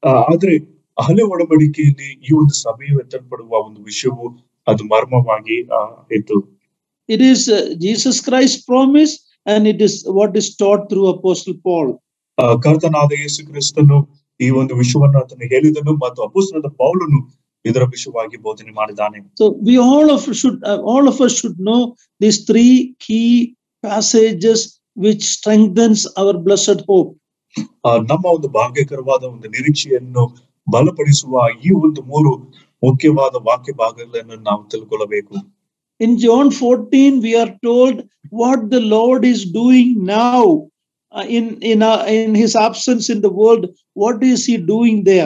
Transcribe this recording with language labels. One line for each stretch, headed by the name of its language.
Kannada: ಆದರೆ ಹಲವು ಒಡಂಬಡಿಕೆಯಲ್ಲಿ ಈ ಒಂದು ಸಭೆಯು ಎತ್ತಲ್ಪಡುವ ಒಂದು ವಿಷಯವು ಅದು ಮರ್ಮವಾಗಿ ಇತ್ತು.
English: It is Jesus Christ's promise and it is what is taught through Apostle Paul.
Kannada: ಕರ್ತನಾದ ಯೇಸು ಕ್ರಿಸ್ತನು ಈ ಒಂದು ವಿಷಯವನ್ನು ಆತನು ಹೇಳಿದನು ಮತ್ತು ಅಪೊಸ್ತಲನಾದ ಪೌಲನು ಇದರ ವಿಷಯವಾಗಿ ಬೋಧನೆ ಮಾಡಿದ್ದಾನೆ.
English: So we all of us should know these three key passages which strengthens our blessed hope.
Kannada: ನಮ್ಮ ಒಂದು ಭಾಗ್ಯಕರವಾದ ಒಂದು ನಿರೀಕ್ಷೆಯನ್ನು ಬಲಪಡಿಸುವ ಈ ಒಂದು ಮೂರು ಮುಖ್ಯವಾದ ವಾಕ್ಯ ಭಾಗಗಳನ್ನು ನಾವು ತಿಳ್ಕೊಳ್ಳಬೇಕು.
English: In John 14 we are told what the Lord is doing now. In his absence in the world, what is he doing